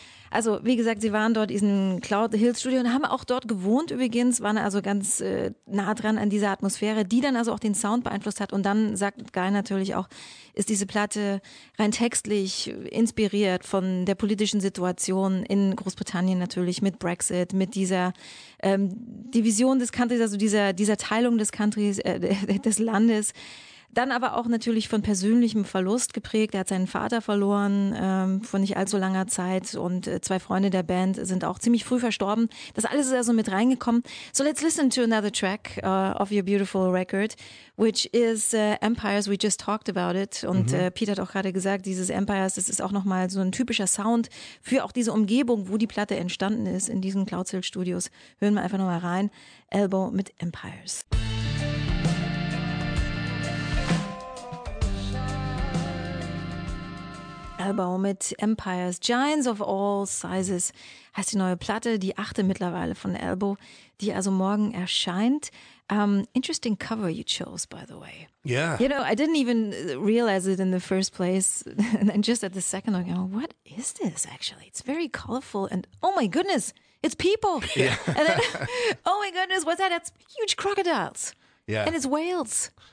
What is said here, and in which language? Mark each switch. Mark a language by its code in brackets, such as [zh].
[de] Also, wie gesagt, sie waren dort in diesem Cloud Hill Studio und haben auch dort gewohnt übrigens, waren also ganz nah dran an dieser Atmosphäre, die dann also auch den Sound beeinflusst hat. Und dann sagt Guy natürlich auch, ist diese Platte rein textlich inspiriert von der politischen Situation in Großbritannien natürlich mit Brexit, mit dieser Division des Countries, also dieser Teilung des Countries, des Landes. Dann aber auch natürlich von persönlichem Verlust geprägt. Er hat seinen Vater verloren vor nicht allzu langer Zeit und zwei Freunde der Band sind auch ziemlich früh verstorben. Das alles ist also mit reingekommen. [en] So let's listen to another track of your beautiful record, which is Empires. We just talked about it. [de] Und Peter hat auch gerade gesagt, dieses Empires, das ist auch nochmal so ein typischer Sound für auch diese Umgebung, wo die Platte entstanden ist, in diesen Cloud Hill Studios. Hören wir einfach nochmal rein. Elbow mit Empires. Elbow mit Empires, Giants of All Sizes, heißt die neue Platte, die achte mittlerweile von Elbow, die also morgen erscheint. [en] Interesting cover you chose, by the way. Yeah. You know, I didn't even realize it in the first place, and just at the second, I go, what is this actually? It's very colorful, and oh my goodness, it's people! Yeah. And then, oh my goodness, what's that? That's huge crocodiles! Yeah. And it's whales!